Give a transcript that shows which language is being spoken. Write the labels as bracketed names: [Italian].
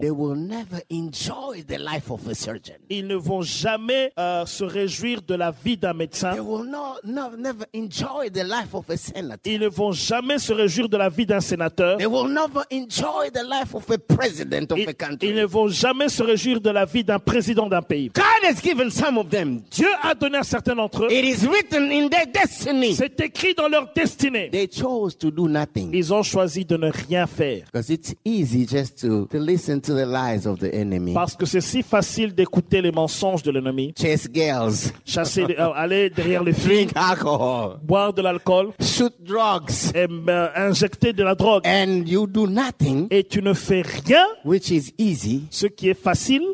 [English] They will never enjoy the life of a surgeon. [French] Ils ne vont jamais se réjouir de la vie d'un médecin. [English] They will never enjoy the life of a senator. [French] Ils ne vont jamais se réjouir de la vie d'un sénateur. [English] They will never enjoy the life of a president of a country. [French] Ils ne vont jamais se réjouir de la vie d'un président d'un pays. [English] God has given some of them. [French] Dieu a donné à certains d'entre eux. [English] It is written in their destiny. [French] C'est écrit dans leur destinée. [English] They chose to do nothing. [French] Ils ont choisi de ne rien faire. [English] Because it's easy just to listen to the lies of the enemy. [French] Parce que c'est si facile d'écouter les mensonges de l'ennemi. [English] Chase girls. [French] Chasser, aller derrière les filles. [English] Drink alcohol. [French] Boire de l'alcool. [English] Shoot drugs. [French] De la drogue. [English] And you do nothing, [French] et tu ne fais rien, [English] which is easy, [French] ce qui est facile,